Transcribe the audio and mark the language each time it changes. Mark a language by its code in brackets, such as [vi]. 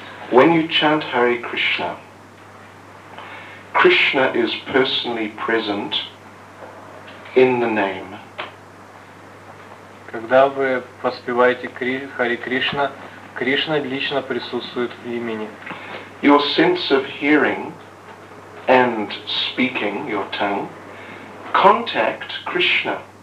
[en] When you chant Hare Krishna, Krishna is personally present in the name. [ru] Когда вы поспеваете Хари Кришна, Кришна лично присутствует в имени. [en] Your sense of hearing and speaking, your tongue, contact Krishna.